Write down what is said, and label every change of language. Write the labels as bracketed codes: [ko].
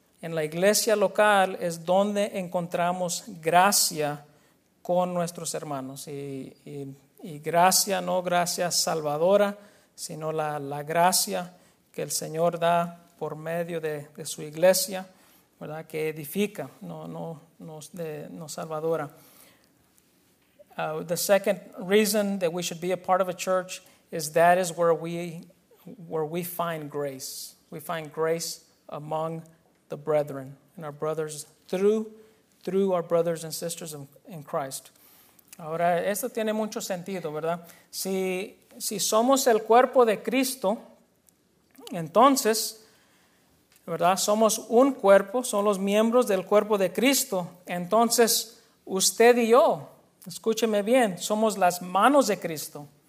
[es] En la iglesia local es donde encontramos gracia con nuestros hermanos. Y gracia, no gracia salvadora, sino la gracia que el Señor da por medio de su iglesia, ¿verdad? Que edifica, no salvadora. [en] The second reason that we should be a part of a church is that is where we find grace. We find grace among the brethren and our brothers through our brothers and sisters in Christ. [es] Ahora, esto tiene mucho sentido, ¿verdad? Si somos el cuerpo de Cristo, entonces, ¿verdad? Somos un cuerpo, son los miembros del cuerpo de Cristo. Entonces, usted y yo, escúcheme bien, somos las manos de Cristo.